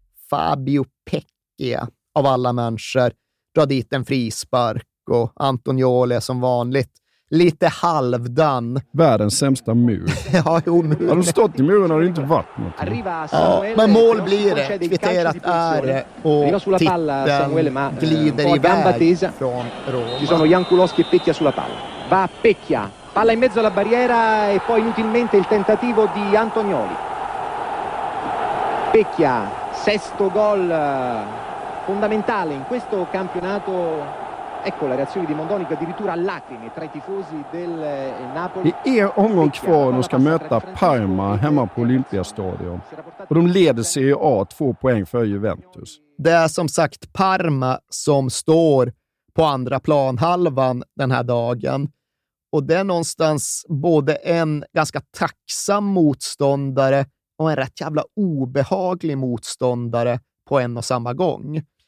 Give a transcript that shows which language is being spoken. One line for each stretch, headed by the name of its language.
Swedish: Fabio Pecchia av alla människor drar dit en frispark och Antonioli som vanligt lite halvdan. Världens sämsta mur. Ja, jo, nu. Har de stått i muren har det inte varit något. Ja, men mål blir det. Kvitterat är det. Och titeln glider iväg från Roma.
Italian: Ci sono Jankulowski e Pecchia sulla palla. Va Pecchia. Palla in mezzo alla barriera e poi inutilmente il tentativo di Antonioli. Pecchia, sesto gol fondamentale in questo campionato. Ecco la reazione di Mondoni, addirittura lacrime tra i tifosi del Napoli.
Swedish: Det är omgång kvar och de ska möta Parma hemma på Olympiastadion. Och de leder Serie A 2 poäng för Juventus. Det är som sagt Parma som står på andra planhalvan den här dagen. Och det är någonstans både en ganska tacksam motståndare och en rätt jävla obehaglig motståndare på en och samma gång.